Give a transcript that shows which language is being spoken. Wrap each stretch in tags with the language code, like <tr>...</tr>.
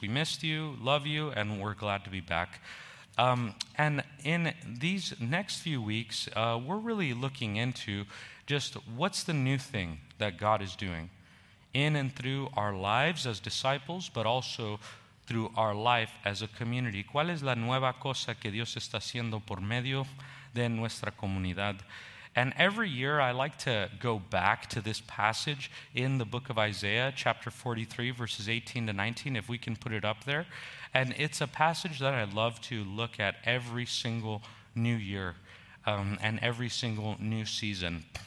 <en>We missed you, love you, and we're glad to be back. And in these next few weeks, we're really looking into just what's the new thing that God is doing in and through our lives as disciples, but also through our life as a community.</en> <es>¿Cuál es la nueva cosa que Dios está haciendo por medio de nuestra comunidad?</es> <en>And every year, I like to go back to this passage in the book of Isaiah, chapter 43, verses 18 to 19, if we can put it up there. And it's a passage that I love to look at every single new year and every single new season.</en>